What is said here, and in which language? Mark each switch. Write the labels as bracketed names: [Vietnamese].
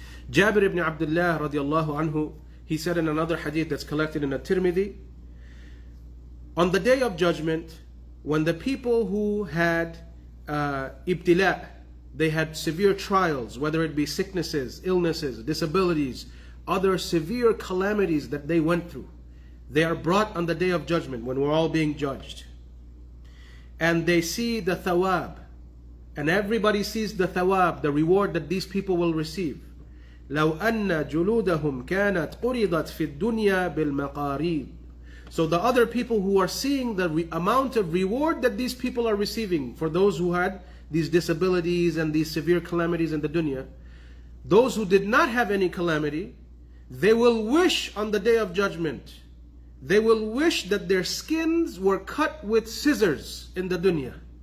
[English] Jabir ibn Abdullah radiallahu anhu, he said in another hadith that's collected in a Tirmidhi, on the day of judgment, when the people who had ibtila, they had severe trials, whether it be sicknesses, illnesses, disabilities, other severe calamities that they went through, they are brought on the day of judgment when we're all being judged. And they see the thawab. And everybody sees the thawab, the reward that these people will receive. [Arabic] لو أن جلودهم كانت قرضت في الدنيا بالمقاريض. [English] So the other people who are seeing the amount of reward that these people are receiving for those who had these disabilities and these severe calamities in the dunya, those who did not have any calamity, they will wish on the day of judgment, they will wish that their skins were cut with scissors in the dunya.